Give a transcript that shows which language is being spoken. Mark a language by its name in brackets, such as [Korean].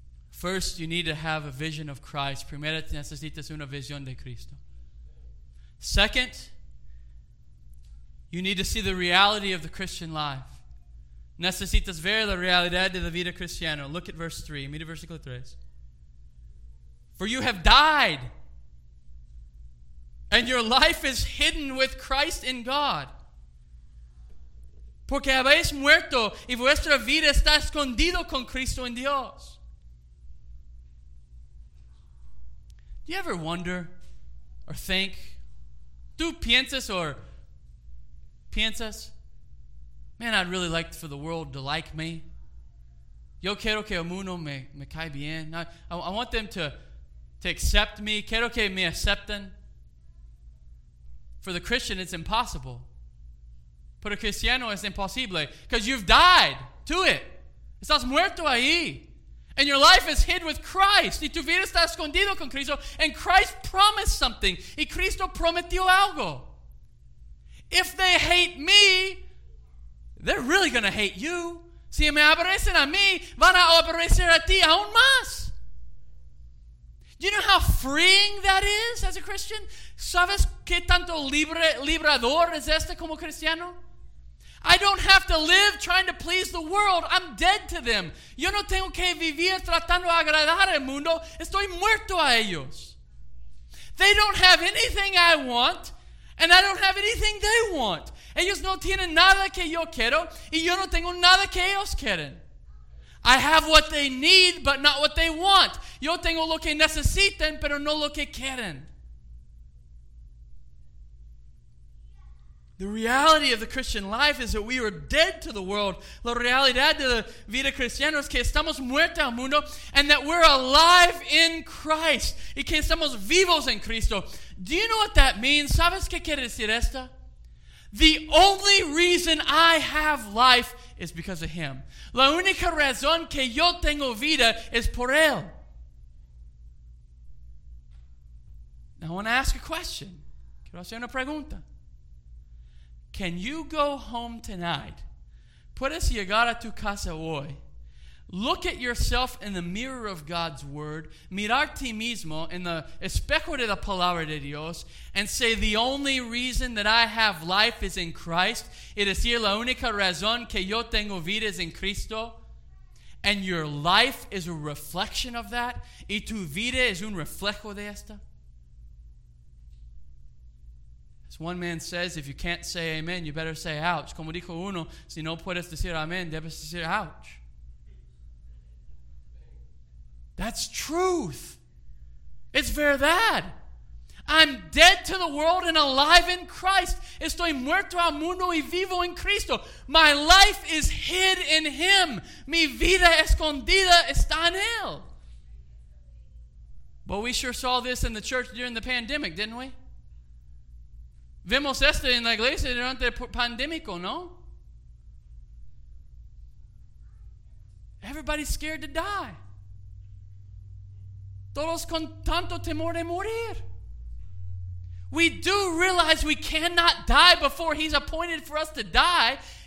[English] First, you need to have a vision of Christ. [Spanish] Primero, necesitas una visión de Cristo. [English] Second, you need to see the reality of the Christian life. [Spanish] Necesitas ver la realidad de la vida cristiana. [English] Look at verse 3. [Spanish] Mira versículo 3. [English] For you have died, and your life is hidden with Christ in God. [Spanish] Porque habéis muerto, y vuestra vida está escondida con Cristo en Dios. [English] Do you ever wonder or think? [Spanish] ¿Tú piensas or piensas? [English] Man, I'd really like for the world to like me. [Spanish] Yo quiero que el mundo me caiga bien. [English] I want them to accept me. [Spanish] Quiero que me acepten. [English] For the Christian, it's impossible. [Spanish] Para el cristiano es imposible. [English] Because you've died to it. [Spanish] Estás muerto ahí. [English] And your life is hid with Christ. [Spanish] Y tu vida está escondido con Cristo. [English] And Christ promised something. [Spanish] Y Cristo prometió algo. [English] If they hate me, they're really going to hate you. [Spanish] Si me aborrecen a mí, van a aborrecer a ti aún más. [English] Do you know how freeing that is as a Christian? [Spanish] ¿Sabes qué tanto liberador es este como cristiano? [English] I don't have to live trying to please the world. I'm dead to them. [Spanish] Yo no tengo que vivir tratando de agradar al mundo. Estoy muerto a ellos. [English] They don't have anything I want, and I don't have anything they want. [Spanish] Ellos no tienen nada que yo quiero, y yo no tengo nada que ellos quieren. [English] I have what they need, but not what they want. [Spanish] Yo tengo lo que necesitan, pero no lo que quieren. [English] The reality of the Christian life is that we are dead to the world. [Spanish] La realidad de la vida cristiana es que estamos muertos al mundo, [English] and that we're alive in Christ. [Spanish] Y que estamos vivos en Cristo. [English] Do you know what that means? [Spanish] ¿Sabes qué quiere decir esto? [English] The only reason I have life is because of him. [Spanish] La única razón que yo tengo vida es por él. [English] Now I want to ask a question. [Spanish] Quiero hacer una pregunta. [English] Can you go home tonight? [Spanish] Puedes llegar a tu casa hoy. [English] Look at yourself in the mirror of God's word. [Spanish] Mirar ti mismo en el espejo de la palabra de Dios. [English] And say, the only reason that I have life is in Christ. [Spanish] Y decir, la única razón que yo tengo vida es en Cristo. [English] And your life is a reflection of that. [Spanish] Y tu vida es un reflejo de esta. [English] As one man says, if you can't say amen, you better say ouch. [Spanish] Como dijo uno, si no puedes decir amen, debes decir ouch. [English] That's truth. It's verdad. I'm dead to the world and alive in Christ. [Spanish] Estoy muerto al mundo y vivo en Cristo. [English] My life is hid in him. [Spanish] Mi vida escondida está en él. [English] But we sure saw this in the church during the pandemic, didn't we? [Spanish] Vimos esto en la iglesia durante el pandémico, ¿no? [English] Everybody's scared to die. [Spanish] Todos con tanto temor de morir. [English] We do realize we cannot die before he's appointed for us to die.